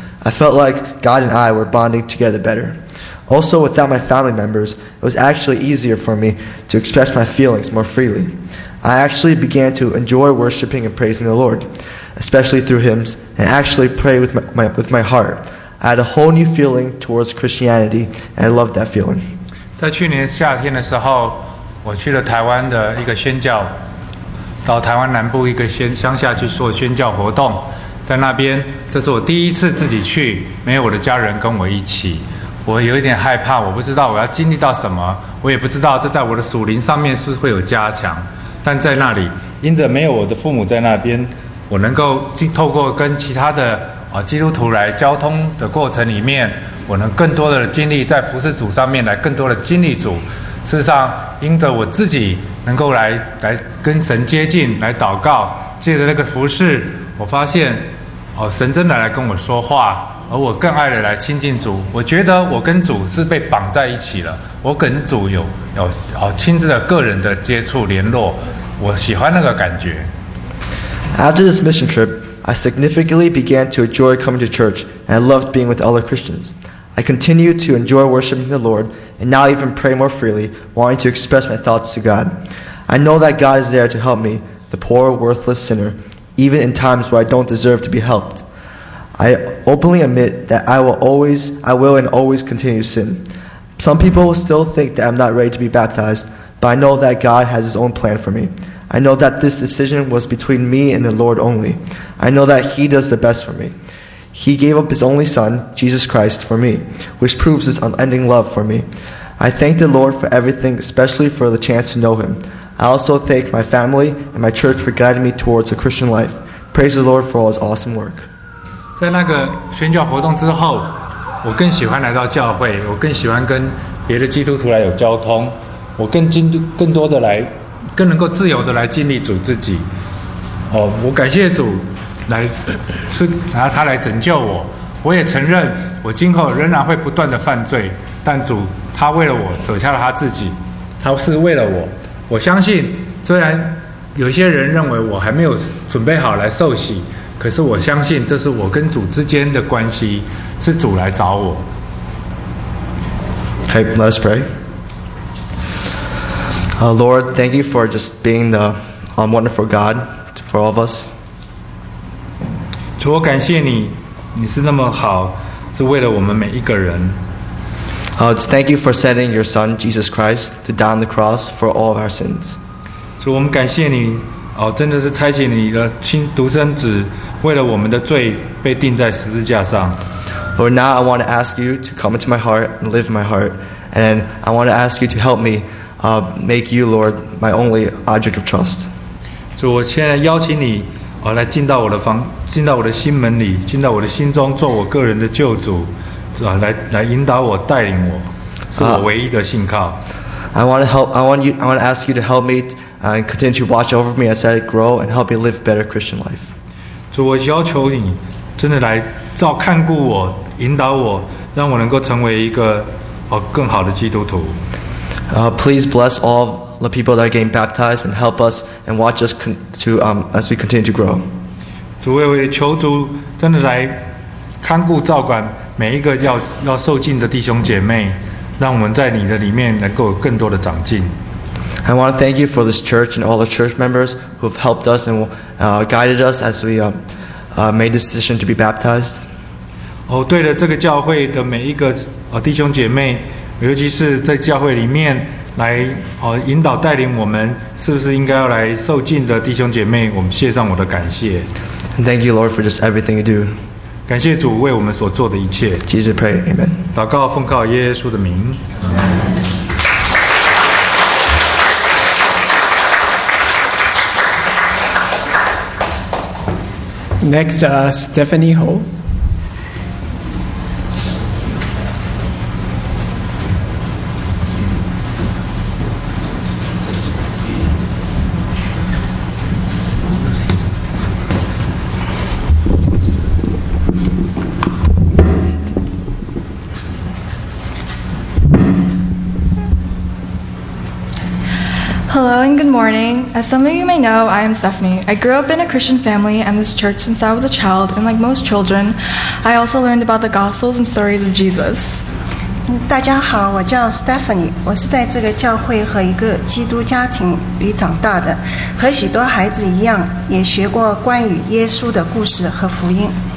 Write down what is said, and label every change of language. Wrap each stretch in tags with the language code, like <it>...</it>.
<en>I felt like God and I were bonding together better. Also, without my family members, it was actually easier for me to express my feelings more freely. I actually began to enjoy worshiping and praising the Lord, especially through hymns, and actually pray with my heart. I had a whole new feeling towards Christianity, and I loved that feeling.</en> <zh>在去年夏天的时候，我去了台湾的一个宣教，到台湾南部一个乡下去做宣教活动，在那边，这是我第一次自己去，没有我的家人跟我一起。我有一点害怕，我不知道我要经历到什么，我也不知道这在我的属灵上面是会有加强。但在那里，因着没有我的父母在那边，我能够透过跟其他的基督徒来交通的过程里面，我能更多的经历在服事主上面，来更多的经历主。事实上，因着我自己能够来跟神接近，来祷告，借着那个服事，我发现神真的来跟我说话。而我更爱的来亲近主，我觉得我跟主是被绑在一起了，我跟主有亲自的个人的接触联络，我喜欢那个感觉。</zh> <en>After this mission trip, I significantly began to enjoy coming to church and I loved being with other Christians. I continue to enjoy worshiping the Lord and now even pray more freely, wanting to express my thoughts to God. I know that God is there to help me, the poor, worthless sinner, even in times where I don't deserve to be helped. I openly admit that I will and always continue sin. Some people still think that I'm not ready to be baptized, but I know that God has his own plan for me. I know that this decision was between me and the Lord only. I know that he does the best for me. He gave up his only son, Jesus Christ, for me, which proves his unending love for me. I thank the Lord for everything, especially for the chance to know him. I also thank my family and my church for guiding me towards a Christian life. Praise the Lord for all his awesome work.</en> <zh>在那个宣教活动之后，我更喜欢来到教会，我更喜欢跟别的基督徒来有交通，我更能够自由的来经历主自己。我感谢主来是拿他来拯救我。我也承认我今后仍然会不断的犯罪，但主他为了我舍下了他自己，他是为了我。我相信虽然有些人认为我还没有准备好来受洗，可是我相信这是我跟主之间的关系，是主来找我。</zh> <en>Hey, let us pray. Lord, thank you for just being the wonderful God for all of us.</en> <zh>主，我感谢你，你是那么好，是为了我们每一个人。</zh> <en>Thank you for sending your Son Jesus Christ to die on the cross for all of our sins.</en> <zh>主，我们感谢你。真的是差遣你的亲独生子，为了我们的罪被钉在十字架上。</zh> <en>Lord, now I want to ask you to come into my heart and live in my heart, and I want to ask you to help me, make you, Lord, my only object of trust.</en> <zh>主，我现在邀请你，来进到我的心门里，进到我的心中，做我个人的救主，来引导我，带领我，是我唯一的信靠。</zh> <en>I want to ask you to help me. And continue to watch over me as I grow and help me live a better Christian life.</en> <zh>主，我要求你真的来照看顾我，引导我，让我能够成为一个更好的基督徒。</zh> <en>Please bless all the people that are getting baptized and help us and watch us as we continue to grow.</en> <zh>主，我也求主真的来看顾照管每一个要受浸的弟兄姐妹，让我们在你的里面能够有更多的长进。</zh> <en>I want to thank you for this church and all the church members who have helped us and guided us as we made the decision to be baptized.</en> <zh>对了，这个教会的每一个弟兄姐妹，尤其是在教会里面来引导带领我们，是不是应该要来受浸的弟兄姐妹，我们献上我的感谢。</zh> <en>And thank you, Lord, for just everything you do.</en> <zh>感谢主为我们所做的一切。</zh> <en>Jesus, pray, Amen.</en> <zh>祷告奉靠耶稣的名。</zh> <en>Next, Stephanie Ho. Good morning. As some of you may know, I am Stephanie. I grew up in a Christian family and this church since I was a child, and like most children, I also learned about the Gospels and stories of Jesus.</en> <zh>大家好，我叫 Stephanie， 我是在这个教会和一个基督家庭里长大的，和许多孩子一样，也学过关于耶稣的故事和福音。</zh>